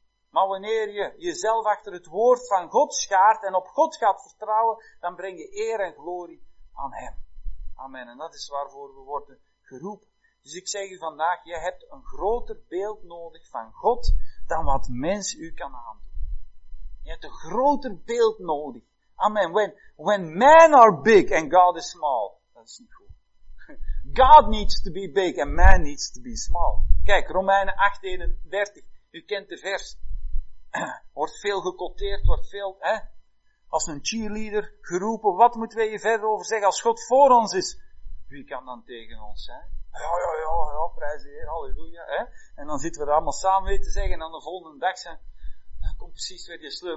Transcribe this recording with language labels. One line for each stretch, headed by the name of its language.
Dutch: Maar wanneer je jezelf achter het woord van God schaart en op God gaat vertrouwen, dan breng je eer en glorie aan hem. Amen. En dat is waarvoor we worden geroepen. Dus ik zeg je vandaag, je hebt een groter beeld nodig van God dan wat mens u kan aandoen. Je hebt een groter beeld nodig.
English: Amen. When men are big and God is small,
Dutch: dat is niet goed.
English: God needs to be big and man needs to be small.
Dutch: Kijk, Romeinen 8, 31. U kent de vers. Wordt veel gekoteerd, wordt veel, hè? Als een cheerleader geroepen, wat moeten wij hier verder over zeggen? Als God voor ons is, wie kan dan tegen ons zijn? Ja, prijs de Heer, halleluja, hè? En dan zitten we er allemaal samen mee te zeggen, en dan de volgende dag zijn, dan komt precies weer die sleur.